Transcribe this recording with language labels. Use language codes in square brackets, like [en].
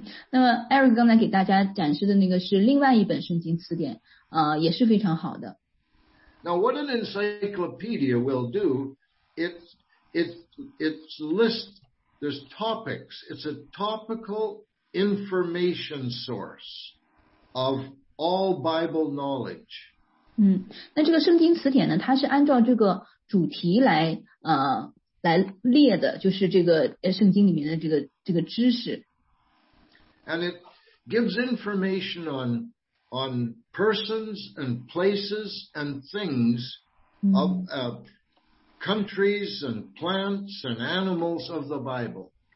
[zh] 那么 Eric 刚才给大家展示的那个是另外一本圣经词典，也是非常好的。 [en] Now what an encyclopedia will do, it's list, there's topics, it's a topical information source of all Bible knowledge. [zh] 那这个圣经词典呢，它是按照这个主题来列的，就是这个圣经里面的这个知识。 [en] And it gives information on persons and places and things of countries and plants and animals of the Bible.